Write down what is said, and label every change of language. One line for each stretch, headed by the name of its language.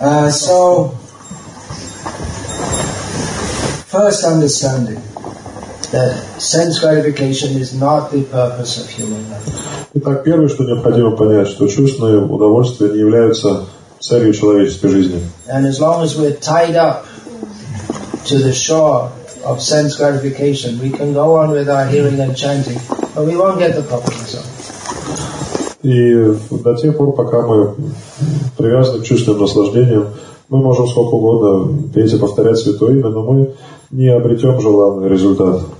English: So, first understanding that sense gratification is not the purpose of human life.
Russian: Итак, первое, что необходимо понять, что чувственное удовольствие не является целью человеческой жизни.
English: And as long as we're tied up to the shore of sense gratification, we can go on with our hearing and chanting, but we won't get the proper result.
Russian: И до тех пор, пока мы привязаны к чувственным наслаждениям, мы можем сколько угодно петь и повторять Святое Имя, но мы не обретем желанный результат.